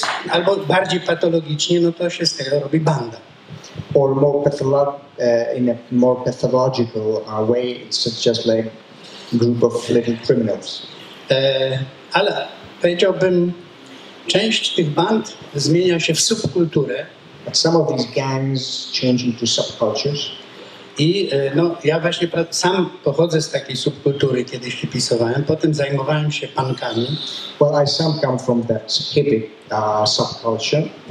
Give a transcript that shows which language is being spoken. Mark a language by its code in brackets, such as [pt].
[pl] Albo bardziej patologicznie, no to się z tego robi banda. [en] Or more in a more pathological way, it's just like a group of little criminals. [pl] Ale powiedziałbym, część tych band zmienia się w subkulturę. [en] But some of these gangs change into subcultures. [pl] I no, ja właśnie sam pochodzę z takiej subkultury, kiedyś hipisowałem, potem zajmowałem się punkami. [en] Well, I [pl] sam [en] come from that hippie subculture.